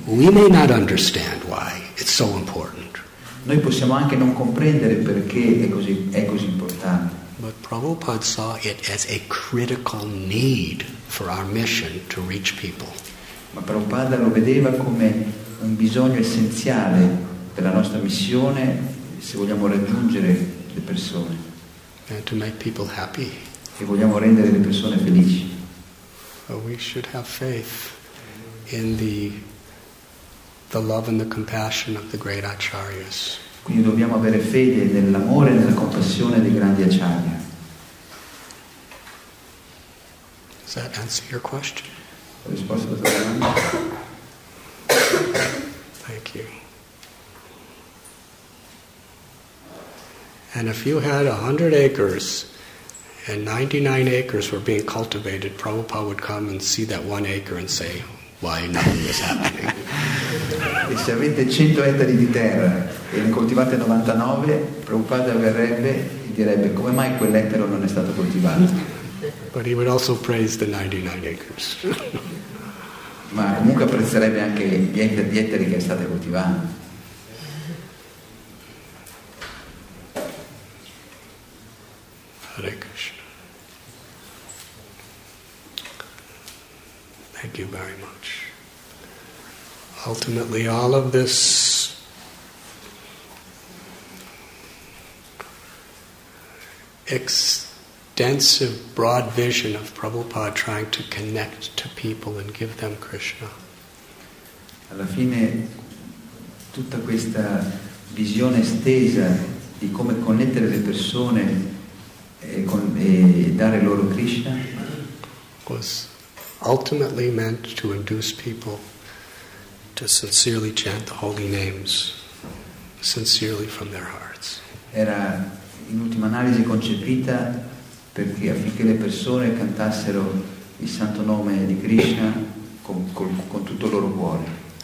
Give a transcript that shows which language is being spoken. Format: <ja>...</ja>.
<en>We may not understand why it's so important.</en> <it>Noi possiamo anche non comprendere perché è così importante.</it> <en>But Prabhupada saw it as a critical need for our mission to reach people.</en> <it>Ma Prabhupada lo vedeva come un bisogno essenziale della nostra missione se vogliamo raggiungere le persone.</it> <en>And to make people happy.</en> <it>E vogliamo rendere le persone felici.</it> <en>But we should have faith in the love and the compassion of the great acharyas.</en> <it>Quindi dobbiamo avere fede nell'amore e nella compassione dei grandi acharya.</it> <en>Does that answer your question?</en> <it>La risposta alla tua domanda.</it> <en>Thank you. And if you had 100 acres and 99 acres were being cultivated, Prabhupada would come and see that one acre and say, why nothing is happening?</en> <it>E se avete 100 ettari di terra e ne coltivate 99, Prabhupada verrebbe e direbbe: come mai quell'ettaro non è stato coltivato?</it> <en>But he would also praise the 99 acres.</en> <it>Ma comunque apprezzerebbe anche gli ettari che state coltivando.</it> <en>Hare Krishna. Thank you very much. Ultimately, all of this extensive, broad vision of Prabhupada trying to connect to people and give them Krishna.</en> <it>Alla fine, tutta questa visione estesa di come connettere le persone e dare loro Krishna</it> <en>was ultimately meant to induce people to sincerely chant the holy names sincerely from their hearts.</en> <it>Era in ultima analisi concepita perché affinché le persone cantassero il santo nome di Krishna con tutto il loro cuore.</it>